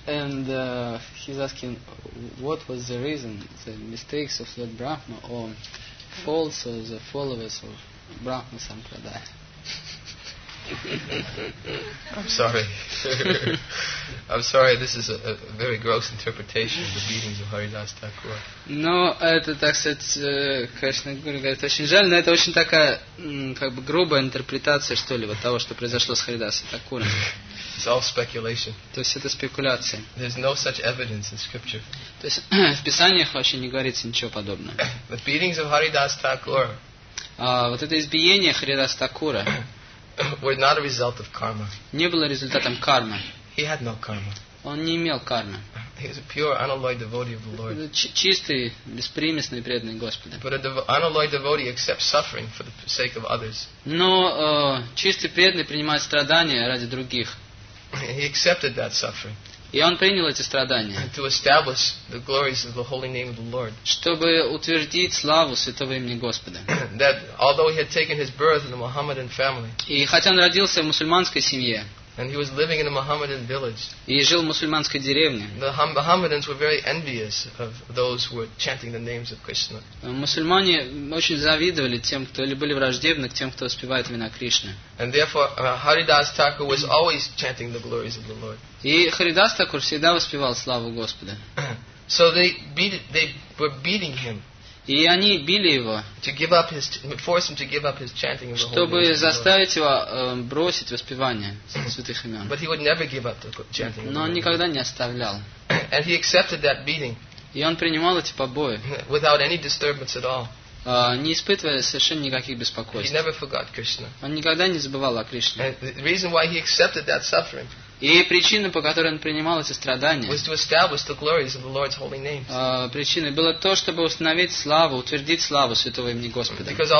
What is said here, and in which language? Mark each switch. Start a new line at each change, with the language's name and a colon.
English: And he's asking, what was the reason, the mistakes of Lord Brahma or faults of the followers of Brahma Sampradaya? I'm sorry, this is a very gross interpretation of the beatings of Haridas Thakur.
Russian: Но это, так сказать, конечно, говорит, очень жаль, но это очень такая, как бы, грубая интерпретация, что ли, вот того, что произошло с Харидасом Такуром.
English: It's all speculation.
Russian: То есть это спекуляция.
English: There's no such evidence in scripture.
Russian: То есть в писаниях вообще не говорится ничего подобного.
English: The beatings of Haridas Thakur.
Russian: Вот это избиение Харидас Такура.
English: Were not a result of karma.
Russian: Не было результатом кармы.
English: He had no karma.
Russian: Он не имел кармы.
English: He's a pure unalloyed devotee of the Lord.
Russian: Чистый, беспримесный преданный Господа.
English: But an unalloyed devotee accepts suffering for the sake of others.
Russian: Но чистый преданный принимает страдания ради других.
English: He accepted that suffering.
Russian: И он принял эти страдания.
English: To establish the glories of the holy name of the Lord.
Russian: Чтобы утвердить славу святого имени Господа.
English: That although he had taken his birth in the Mohammedan family.
Russian: И хотя он родился в мусульманской семье.
English: And he was living in a Mohammedan village.
Russian: И жил в мусульманской деревне.
English: The Mohammedans were very envious of those who were chanting the names of Krishna.
Russian: Мусульмане очень завидовали тем, кто или были враждебны к тем, кто воспевает имена Кришны.
English: And therefore, Haridas Thakur was always chanting the glories of the Lord.
Russian: И Харидас Такур всегда воспевал славу Господа.
English: So they were beating him.
Russian: И они били его.
English: To give up his, force him to give up his chanting of the
Russian: Чтобы
English: holy names
Russian: заставить
English: of the Lord.
Russian: Его бросить воспевание святых имен.
English: But he would never give up the chanting.
Russian: Но он никогда не оставлял.
English: And he accepted that beating.
Russian: И он принимал эти побои.
English: Without any disturbance at all.
Russian: Не испытывая совершенно никаких беспокойств.
English: He never forgot Krishna.
Russian: Он никогда не забывал о Кришне.
English: And the reason why he accepted that suffering.
Russian: И причина, по которой он принимал эти страдания, причиной было то, чтобы установить славу, утвердить славу святого имени Господа.